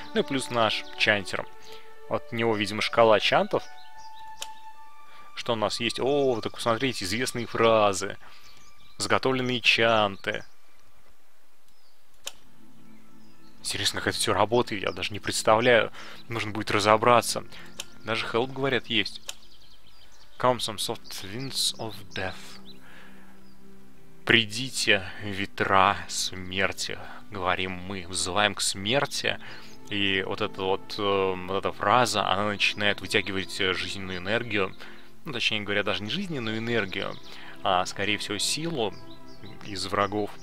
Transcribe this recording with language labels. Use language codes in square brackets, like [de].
[ru] Ну и плюс наш чантер. Вот у него, видимо, шкала чантов. Что у нас есть? О, так посмотрите, известные фразы. Заготовленные чанты. Интересно, как это все работает, я даже не представляю. Нужно будет разобраться. Даже help, говорят, есть. [en] Come some soft winds of death. [ru] Придите, ветра смерти. Говорим мы, взываем к смерти. И вот эта вот, вот эта фраза, она начинает вытягивать жизненную энергию. Ну, точнее говоря, даже не жизненную энергию, а, скорее всего, силу из врагов.